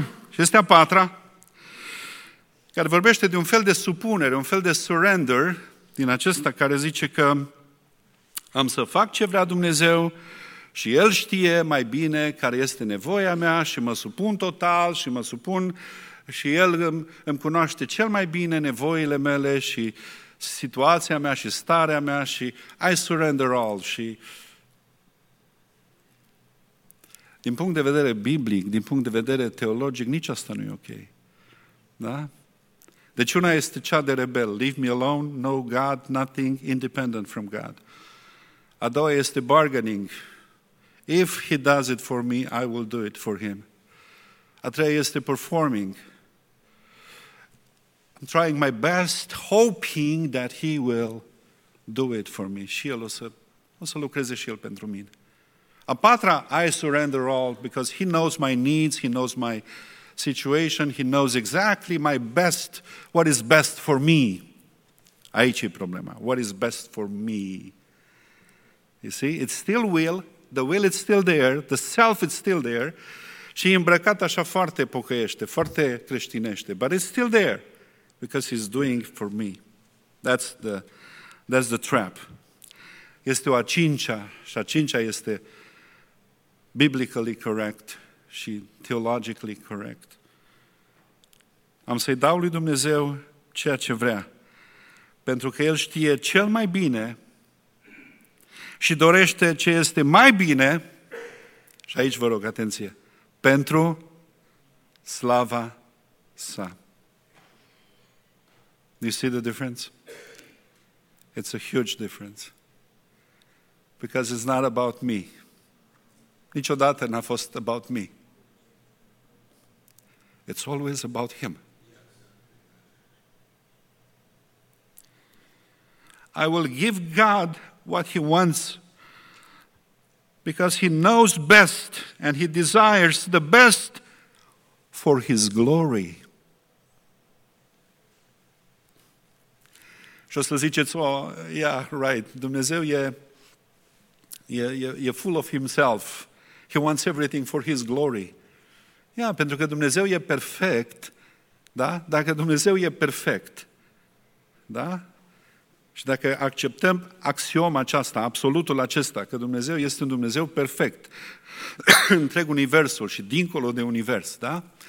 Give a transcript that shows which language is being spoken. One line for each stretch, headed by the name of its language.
Romanian: Și este a patra, care vorbește de un fel de supunere, un fel de surrender din acesta, care zice că am să fac ce vrea Dumnezeu și El știe mai bine care este nevoia mea și mă supun total și mă supun și El îmi cunoaște cel mai bine nevoile mele și situația mea și starea mea și
English: I surrender all.
Romanian: Și din punct de vedere biblic, din punct de vedere teologic, nici asta nu e ok. Da? Deci una este cea de rebel.
English: Leave me alone, no God, nothing, independent from God.
Romanian: A doua este
English: bargaining. If he does it for me, I will do it for him.
Romanian: A treia este performing.
English: I'm trying my best, hoping that he will do it for me.
Romanian: Și el o să lucreze și el pentru mine. A patra,
English: I surrender all because he knows my needs, he knows my situation, he knows exactly my best, what is best for me.
Romanian: Aici e problema.
English: What is best for me? You see, it's still will, the will is still there, the self is still there,
Romanian: și e îmbrăcat așa foarte pocăiește, foarte creștinește,
English: but it's still there because he's doing for me. That's the trap.
Romanian: Este o a cincea, și a cincea este
English: biblically correct
Romanian: și
English: theologically correct.
Romanian: Am să-i dau lui Dumnezeu ceea ce vrea, pentru că El știe cel mai bine și dorește ce este mai bine, și aici vă rog, atenție, pentru slava sa.
English: Do you see the difference? It's a huge difference. Because it's not about me.
Romanian: Niciodată n-a fost
English: about me. It's always about him. I will give God what he wants because he knows best and he desires the best for his glory.
Romanian: Și o să ziceți,
English: oh, yeah, right,
Romanian: Dumnezeu e
English: full of himself. He wants everything for his glory.
Romanian: Yeah, pentru că Dumnezeu e perfect, da? Dacă Dumnezeu e perfect, da? Și dacă acceptăm axioma aceasta, absolutul acesta, că Dumnezeu este un Dumnezeu perfect, întreg universul și dincolo de univers, da?